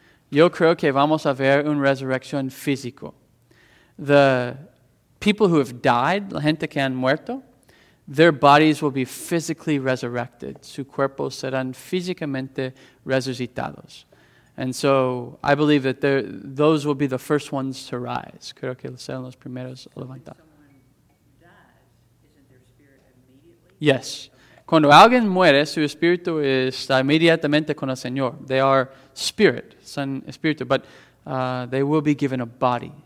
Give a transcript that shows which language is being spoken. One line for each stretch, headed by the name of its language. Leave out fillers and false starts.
Spanish: Yo creo que vamos a ver una resurrección física.
English: The people who have died,
Spanish: la gente que han muerto,
English: their bodies will be physically resurrected.
Spanish: Su cuerpo serán físicamente resucitados.
English: And so I believe that those will be the first ones to rise.
Spanish: Creo que serán los primeros a levantar.
English: When someone dies, isn't their spirit immediately? Yes.
Spanish: Cuando alguien muere, su espíritu está inmediatamente con el Señor.
English: They are spirit,
Spanish: son espíritu,
English: but they will be given a body.